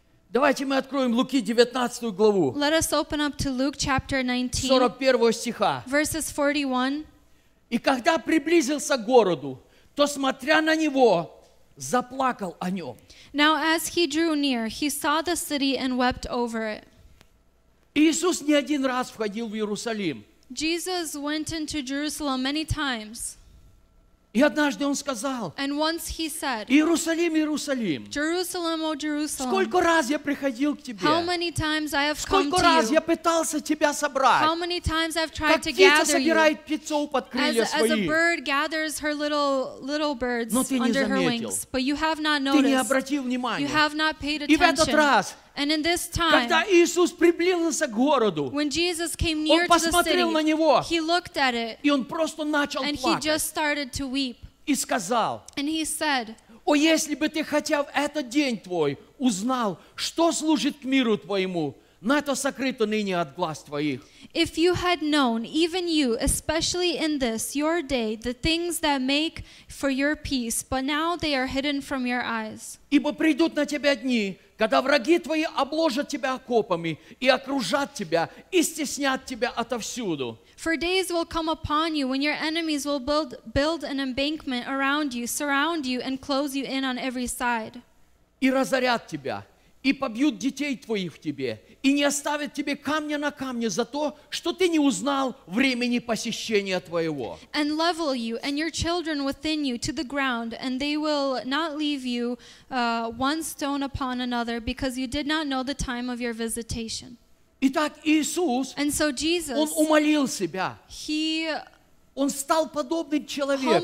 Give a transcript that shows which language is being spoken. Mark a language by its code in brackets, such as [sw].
[ru] Давайте мы откроем Луки 19 главу. [en] Let us open up to Luke chapter 19. [ru] 41 стиха. [en] Verses 41. [ru] И когда приблизился к городу, то смотря на него, заплакал о нем. [en] Now as he drew near, he saw the city and wept over it. [ru] Иисус не один раз входил в Иерусалим. [en] Jesus went into Jerusalem many times. [ru] И однажды он сказал, [en] and once he said, [ru] Иерусалим, Иерусалим, [en] Jerusalem, oh Jerusalem, [ru] сколько раз я приходил к тебе, [en] how many times I have [ru] сколько [en] come [ru] раз [en] to you, [ru] я пытался тебя собрать, [en] how many times I've tried [ru] как [en] to [ru] птица [en] gather [ru] собирает [en] you, [ru] птицу под крылья [en] as, [ru] свои, [en] as a bird gathers her little birds [ru] но ты не [en] under [ru] заметил, [en] her wings, but you have not noticed, [ru] ты не обратил внимания, [en] you have not paid attention. [ru] И в этот раз, [en] And in this time, [ru] когда Иисус приблизился к городу, [en] when Jesus came near [ru] он посмотрел [en] to the city, [ru] на него, [en] he looked at it, [ru] и он просто начал [en] and [ru] плакать, [en] he just started to weep. [ru] И сказал, [en] and he said, [ru] «О, если бы ты хотя в этот день твой узнал, что служит к миру твоему, на это сокрыто ныне от глаз твоих». [en] If you had known, even you, especially in this, your day, the things that make for your peace, but now they are hidden from your eyes. [ru] Ибо придут на тебя дни, когда враги твои обложат тебя окопами и окружат тебя и стеснят тебя отовсюду. [en] For days will come upon you when your enemies will build an embankment around you, surround you and close you in on every side. [ru] И разорят тебя, и побьют детей твоих в тебе, и не оставят тебе камня на камне за то, что ты не узнал времени посещения твоего. [en] And level you and your children within you to the ground, and they will not leave you one stone upon another, because you did not know the time of your visitation. [ru] Итак, Иисус, [en] and so Jesus, [ru] он умолил себя. [en] He [ru] Он стал подобным человеком.